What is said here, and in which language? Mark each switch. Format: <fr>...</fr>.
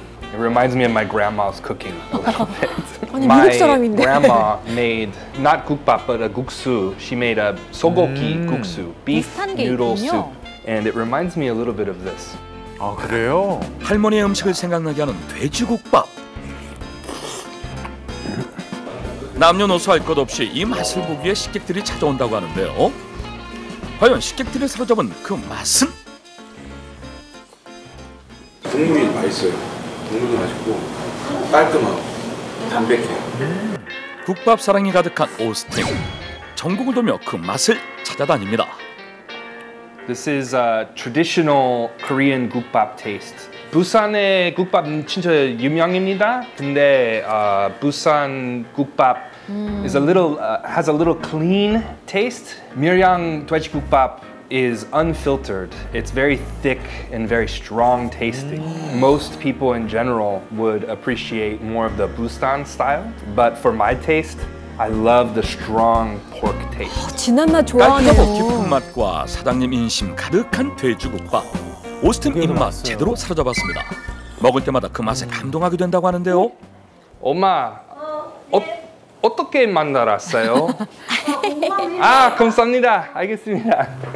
<en>It reminds me of my grandma's cooking a little bit.</en> <ko>아니, 미국 사람인데.</ko> <en>My grandma made not 국밥 but a 국수. She made a 소고기 국수, beef noodle soup. And it reminds me a little bit of this.</en> <ko>아, 그래요? 할머니의 음식을 생각나게 하는 돼지국밥. 남녀노소 할 것 없이 이 맛을 보기에 식객들이 찾아온다고 하는데요. 과연 식객들이 사로잡은 그 맛은? 국물이 맛있어요. 국물도 맛있고 깔끔하고 담백해요. 국밥 사랑이 가득한 오스틴. 전국을 돌며 그 맛을 찾아다닙니다.</ko> <en>This is a traditional Korean 국밥 taste.</en> <ko>부산의 국밥 진짜 유명입니다. 근데</ko> <en>부산 국밥 is a little has a little clean taste. 밀양 돼지국밥 is unfiltered. It's very thick and very strong tasting. Most people in general would appreciate more of the Busan style, but for my taste, I love the strong pork taste.</en> <ko>진한 맛 좋아하네요. 깔끔하고 깊은 맛과 사장님 인심 가득한 돼지국밥. 오스틴 입맛 맞아요. 제대로 사로잡았습니다. 먹을 때마다 그 맛에 감동하게 된다고 하는데요. 엄마, 어떻게 만나라어요? 아, 감사합니다. 알겠습니다.</ko>